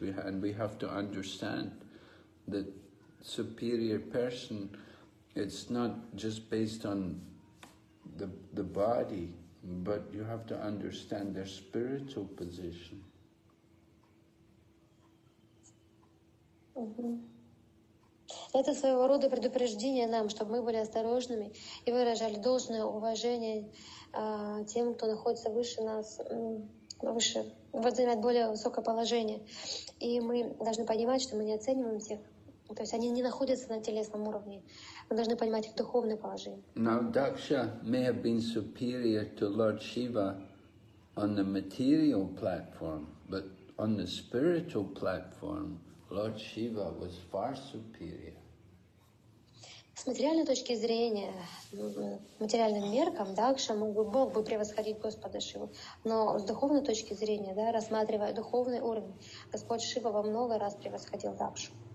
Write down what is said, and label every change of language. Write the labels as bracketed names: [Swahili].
[English] We have to understand that superior person, it's not just based on the body, but you have to understand their spiritual position. [Russian] Это своего рода предупреждение нам, чтобы мы были осторожными и выражали должное уважение тем, кто находится выше нас, выше, занимает более высокое положение. И мы должны понимать, что мы не оцениваем всех, то есть они не находятся на телесном уровне. Мы должны понимать их духовное положение. [English] Now, Daksha may have been superior to Lord Shiva on the material platform, but on the spiritual platform, Lord Shiva was far superior. [Russian] С материальной точки зрения, материальным меркам, Дакша мог бы превосходить Господа Шиву. Но с духовной точки зрения, да, рассматривая духовный уровень, Господь Шива во много раз превосходил Дакшу.